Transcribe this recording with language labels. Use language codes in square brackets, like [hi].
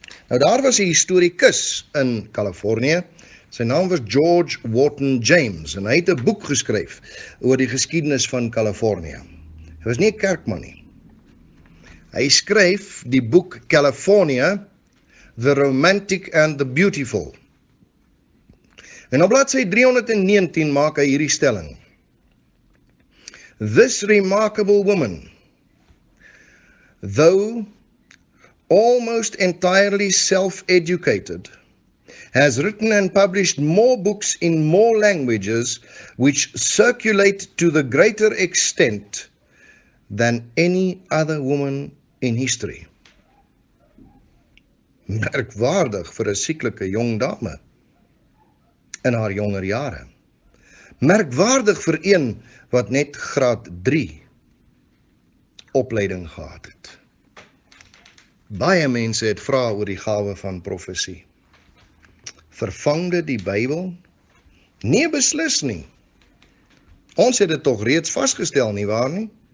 [af] Nou daar was 'n historikus in Kalifornië, sy naam was George Wharton James, en hy het 'n boek geskryf oor die geskiedenis van Kalifornië. Hy was nie 'n kerkman nie. Hy skryf die boek Kalifornië, The Romantic and the Beautiful. En op bladsy 319 maak hy hierdie stelling. [en] This remarkable woman, though almost entirely self-educated, has written and published more books in more languages which circulate to the greater extent than any other woman in history. [af] Merkwaardig vir 'n sieklike jong dame in haar jonger jare. Merkwaardig voor een wat net graad 3 opleiding gehad het. Baie mense het vraag oor die gawe van profesie. Vervang dit die Bijbel? Nee, beslis nie. Ons het dit toch reeds vastgesteld, nie waar nie?